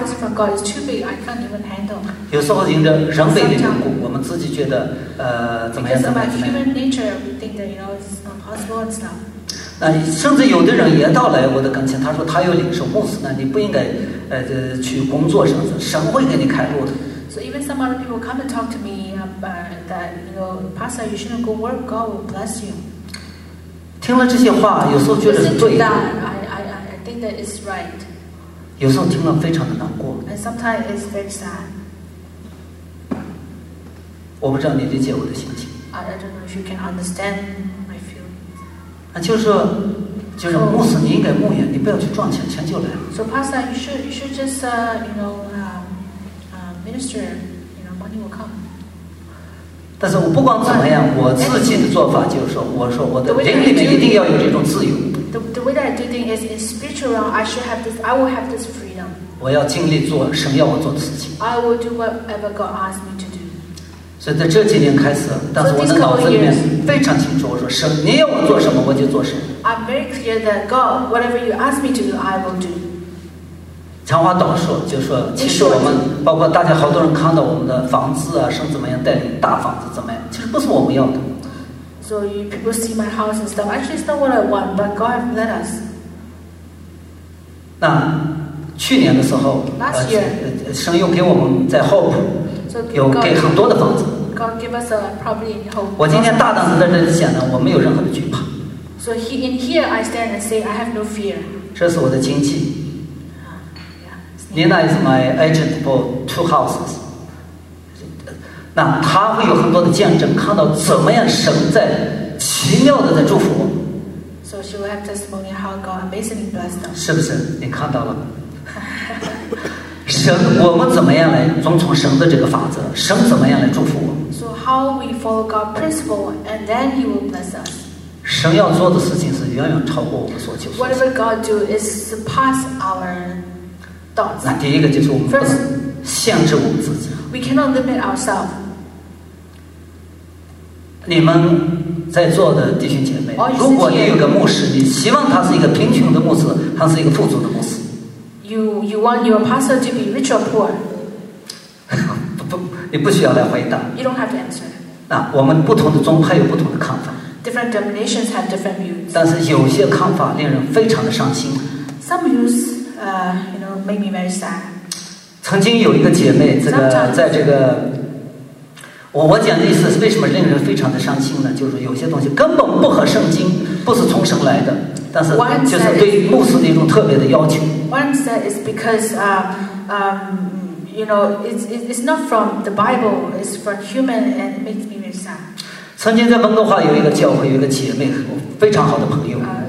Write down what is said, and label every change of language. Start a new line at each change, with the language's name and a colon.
English: Because I think that the prophecy, this prophecy from God, is too big. I can't even handle. Sometimes, because of my human nature, we think that you know it's not possible and stuff.
Chinese: 那甚至有的人也到来我的跟前，他说他有领受牧师，那你不应该
English: So even some other people come and talk to me that you know, Pastor, you shouldn't go work. God will bless you.
Chinese: 听了这些话，有时候觉得是对的。
English: That is right.
Chinese: 有时候听了非常的难过。
English: And sometimes it's very sad.
Chinese: 我不知道你理解我的心情。
English: I don't know if you can understand my feel.
Chinese: 那就是说，就是牧师，你应该牧养，你不要去赚钱，钱就来了。
English: So pastor, you should just you know minister, you know money will come.
Chinese: 但是我不管怎么样，我自己的做法就是说，我说我的人里面一定要有这种自由。
English: The way that I do things is in spiritual realm, I should have this. I will have this freedom.
Chinese: 我要尽力做神要我做的事情。
English: I will do whatever God asks me to do.
Chinese: 所以在这几年开始，但是我的脑子里面非常清楚，我说神，你要我做什么，我就做什么。
English: I'm very clear that God, whatever you ask me to do, I will do.
Chinese: 长话短说，就说其实我们包括大家好多人看到我们的房子啊，是怎么样，带领大房子怎么样，其实不是我们要的。
English: So you people see my house and stuff. Actually, it's not what I want, but God has led us.
Chinese: 那去年的时候
English: ，last year,
Chinese: 神又给我们在 Hope、
English: so、
Chinese: 有给很多的房子。
English: God gave us a property in Hope.
Chinese: 我今天大胆的在这里讲呢，我没有任何的惧怕。
English: So he, in here, I stand and say, I have no fear.
Chinese: 这是我的亲戚。
English: Nina is my agent for two houses.
Chinese: 那他会有很多的见证，看到怎么样神在奇妙的在祝福我。
English: So she will have testimony how God amazingly blessed them.
Chinese: 是不是？你看到了？神，我们怎么样来遵从神的这个法则？神怎么样来祝福我
English: ？So how we follow God's principle, and then He will bless us.
Chinese: 神要做的事情是远远超过我们所求。
English: Whatever God do is surpass our.
Chinese: 那第一个就是我们不能限制我们自己。
English: We cannot limit ourselves.
Chinese: 你们在座的弟兄姐妹，如果你有个牧师，你希望他是一个贫穷的牧师，还是一个富足的牧师
English: ？You want your pastor to be rich or poor?
Chinese: 不，你不需要来回答。
English: You don't have to answer.
Chinese: 那我们不同的宗派有不同的看法。
English: Different denominations have different views.
Chinese: 但是有些看法令人非常的伤心。
English: Some views. Made me very sad.
Chinese: 曾经有一个姐妹，这个在这个，我讲的意思是，为什么令人非常的伤心呢？就是有些东西根本不合圣经，不是从神来的，但是就是对牧师的一种特别的要求。
English: One said is because it's not from the Bible, it's from human, and it makes me very sad.
Chinese: 曾经在温哥华有一个教会，有一个姐妹，非常好的朋友。